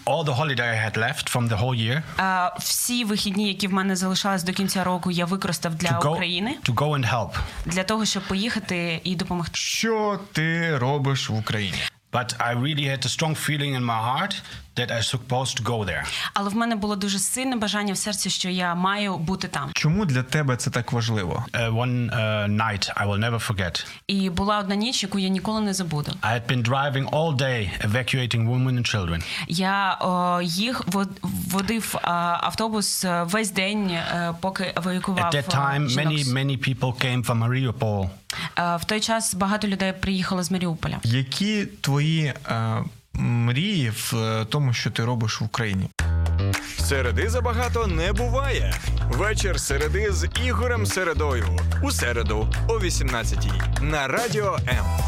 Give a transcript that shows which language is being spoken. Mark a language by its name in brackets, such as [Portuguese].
[English] All the holiday I had left from the whole year. [Ukrainian] Всі вихідні, які в мене залишались до кінця року, я використав для України. [English] To go and help. [Ukrainian] Для того, щоб поїхати і допомогти. Що ти робиш в Україні? [English] But I really had a strong feeling in my heart that I supposed to go there. [Ukrainian] Але в мене було дуже сильне бажання в серці, що я маю бути там. Чому для тебе це так важливо? [English] One night I will never forget. [Ukrainian] І була одна ніч, яку я ніколи не забуду. [English] I had been driving all day evacuating women and children. [Ukrainian] Я водив автобус весь день, поки евакуював жінок. [English] At that time many people came from Mariupol. [Ukrainian] В той час багато людей приїхало з Маріуполя. Які твої мрії в тому, що ти робиш в Україні? Середи забагато не буває. Вечір середи з Ігорем Середою. У середу о 18:00 на Радіо М.